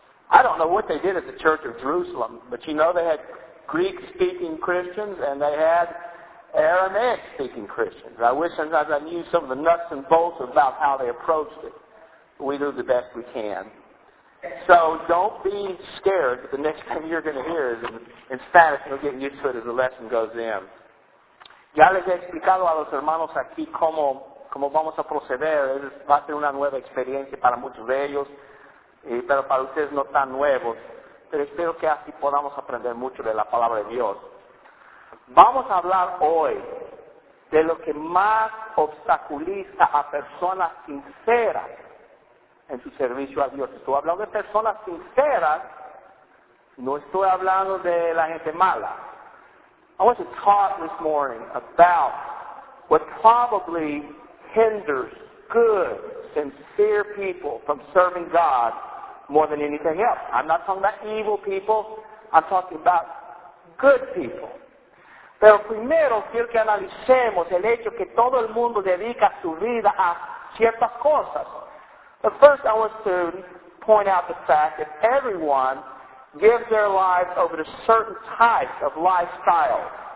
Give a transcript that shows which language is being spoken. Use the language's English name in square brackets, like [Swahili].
[English] I don't know what they did at the Church of Jerusalem, but you know they had Greek-speaking Christians and they had Aramaic-speaking Christians. I wish sometimes I knew some of the nuts and bolts about how they approached it. We do the best we can. So don't be scared that the next thing you're going to hear is in Spanish, and you'll get used to it as the lesson goes in. [Spanish] Ya les he explicado a los hermanos aquí cómo vamos a proceder. Va a ser una nueva experiencia para muchos de ellos, pero para ustedes no tan nuevos. Pero espero que así podamos aprender mucho de la palabra de Dios. Vamos a hablar hoy de lo que más obstaculiza a personas sinceras en su servicio a Dios. Estoy hablando de personas sinceras, no estoy hablando de la gente mala. [English] I want to talk this morning about what probably hinders good, sincere people from serving God more than anything else. I'm not talking about evil people, I'm talking about good people. [Spanish] Pero primero quiero que analicemos el hecho que todo el mundo dedica su vida a ciertas cosas. [English] But first, I want to point out the fact that everyone gives their lives over to certain types of lifestyle.